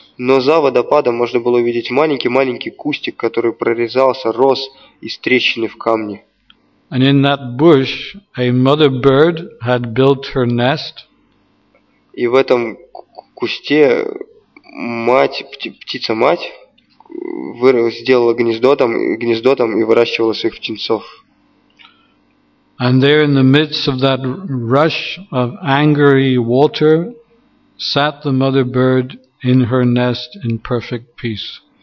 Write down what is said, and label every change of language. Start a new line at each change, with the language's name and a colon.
Russian: Но за водопадом можно было увидеть маленький кустик, который прорезался, рос из трещины в камне.
English: And in that bush a mother bird had built her nest.
Russian: И в этом кусте мать, птица-мать, сделала гнездо там и выращивала своих птенцов.
English: And there in the midst of that rush of angry water sat the mother bird in her nest in perfect peace.